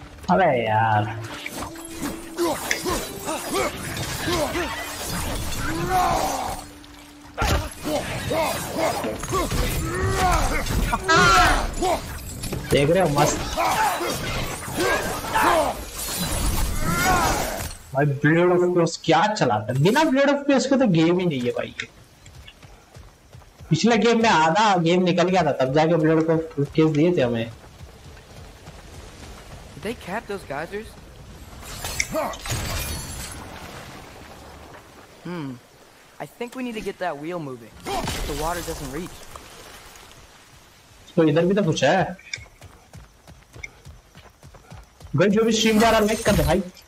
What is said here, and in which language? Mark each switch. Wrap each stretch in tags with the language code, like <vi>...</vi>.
<hi>अरे यार देख रहे हो, मस्त भाई ब्लेड ऑफ क्रॉस क्या चलाता है, बिना ब्लेड ऑफ क्रॉस के तो गेम ही नहीं है भाई। पिछले गेम में आधा गेम निकल गया था तब जाके ब्लेड ऑफ क्रॉस दिए थे हमें।</hi> <en>Did they cap those geysers? I think we need to get that wheel moving. The water doesn't reach.</en> <hi>So इधर भी तो कुछ है। गन जो भी स्ट्रीम जा रहा है लाइक कर दे भाई।</hi>